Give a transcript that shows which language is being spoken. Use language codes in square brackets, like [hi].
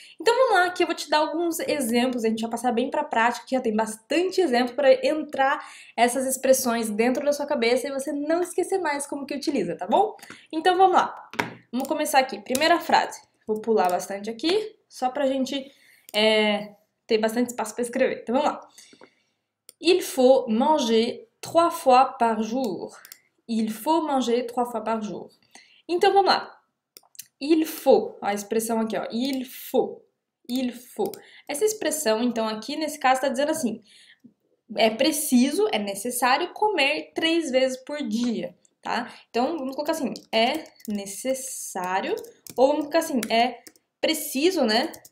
[pt] Então vamos lá, aqui eu vou te dar alguns exemplos, a gente vai passar bem pra prática, que já tem bastante exemplo para entrar essas expressões dentro da sua cabeça e você não esquecer mais como que utiliza, tá bom? Então vamos lá. Vamos começar aqui. Primeira frase. Vou pular bastante aqui, só pra gente ter bastante espaço para escrever. Então vamos lá. [fr] Il faut manger 3 fois par jour. Il faut manger 3 fois par jour. [pt] Então vamos lá. Il faut, a expressão aqui, ó. Il faut. Il faut. Essa expressão, então, aqui nesse caso, está dizendo assim: é preciso, é necessário comer 3 vezes por dia, tá? Então vamos colocar assim: é necessário. Ou vamos colocar assim: é preciso, né?